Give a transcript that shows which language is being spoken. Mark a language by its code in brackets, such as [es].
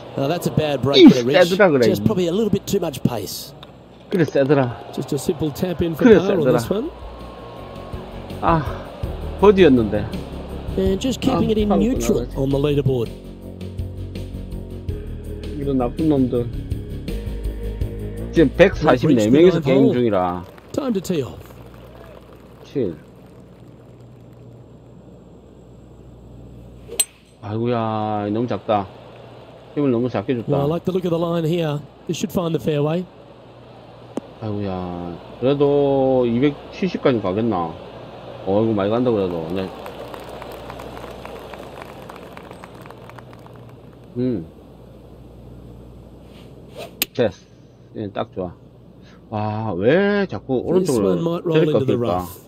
[en] Now that's a bad break, but Rich. [ko] 세더라 그래. [en] Just probably a little bit too much pace. [ko] 그래 세더라. [en] Just a simple tap in for par on this one. [ko] 아, 버디였는데. [en] And just keeping it in neutral on the leaderboard. [ko] 이런 나쁜 놈들. 지금 144명에서 게임 중이라. [en] Time to tee off. 7. [ko] 아이고야, 너무 작다. 힘을 너무 작게 줬다. [en] Well, I like the look of the line here. It should find the fairway. [ko] 아이고야, 그래도 270까지 가겠나? 어이구, 많이 간다 그래도. 네. 됐. 예, 딱 좋아. 와, 왜 자꾸 오른쪽으로 저렇게 갔을까?